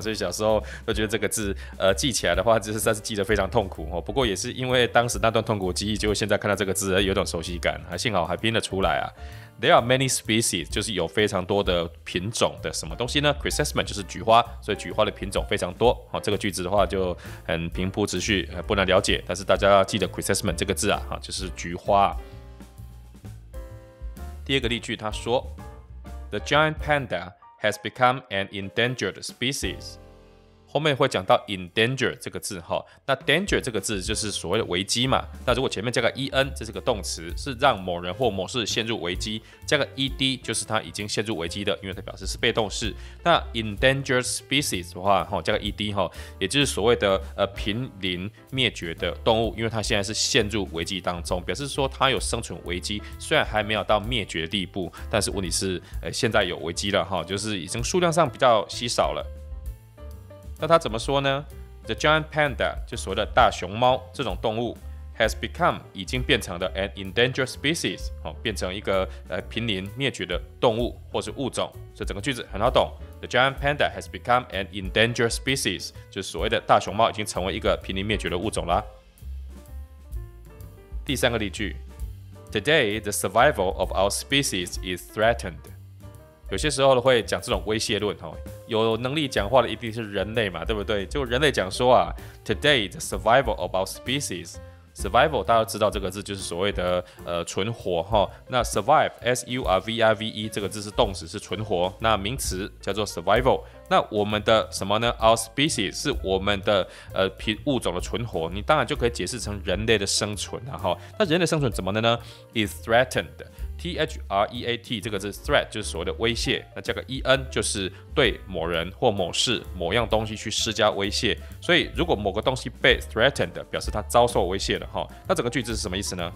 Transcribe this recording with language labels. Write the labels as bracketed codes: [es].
[zh] 所以小时候都觉得这个字记起来的话就是算是记得非常痛苦，不过也是因为当时那段痛苦记忆，就现在看到这个字有种熟悉感，幸好还拼得出来啊。 [en] There are many species， [zh] 就是有非常多的品种的什么东西呢？ chrysanthemum 就是菊花，所以菊花的品种非常多，这个句子的话就很平铺直叙，不难了解，但是大家要记得 chrysanthemum 这个字啊，就是菊花。第二个例句，他说 [en] ，The giant panda has become an endangered species。 [zh] 后面会讲到 endanger 这个字，那 danger 这个字就是所谓的危机嘛。那如果前面加个 en， 这是个动词，是让某人或某事陷入危机。加个 ed 就是他已经陷入危机的，因为它表示是被动式。那 endangered species 的话，加个 ed 也就是所谓的濒临灭绝的动物，因为它现在是陷入危机当中，表示说它有生存危机，虽然还没有到灭绝的地步，但是问题是现在有危机了，就是已经数量上比较稀少了。那他怎么说呢？ [en] The giant panda [zh] 就所谓的大熊猫这种动物 [en] has become [zh] 已经变成了 [en] an endangered species， [zh] 变成一个濒临灭绝的动物或是物种，所以整个句子很好懂。 [en] The giant panda has become an endangered species， [zh] 就所谓的大熊猫已经成为一个濒临灭绝的物种啦。第三个例句， [en] Today the survival of our species is threatened。 [zh] 有些时候会讲这种威胁论，有能力讲话的一定是人类嘛，对不对？就人类讲说啊 ， [en] Today the survival of our species， [zh] survival 大家都知道这个字就是所谓的存活哈。那 survive s u r v i v e 这个字是动词，是存活。那名词叫做 survival。那我们的什么呢 ？ [en] Our species [zh] 是我们的物种的存活，你当然就可以解释成人类的生存了哈。那人类生存怎么的呢 ？ [en] Is threatened。 [zh] threat 这个字 threat 就是所谓的威胁，那加个 en 就是对某人或某事某样东西去施加威胁，所以如果某个东西被 threatened 表示它遭受威胁了，那整个句子是什么意思呢？